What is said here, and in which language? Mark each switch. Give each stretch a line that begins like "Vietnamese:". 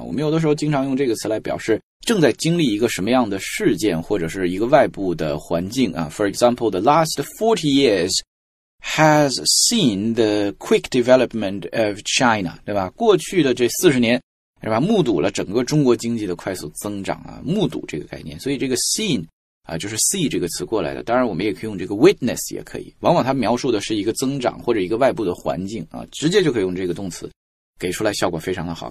Chinese: 我们有的时候经常用这个词来表示正在经历一个什么样的事件，或者是一个外部的环境啊。
English: For example, the last 40 years has seen the quick development of China,
Chinese: 对吧？过去的这40年，是吧？目睹了整个中国经济的快速增长啊，目睹这个概念。所以这个 seen 啊，就是 see 这个词过来的。当然我们也可以用这个 witness 也可以，往往它描述的是一个增长或者一个外部的环境啊，直接就可以用这个动词给出来，效果非常的好。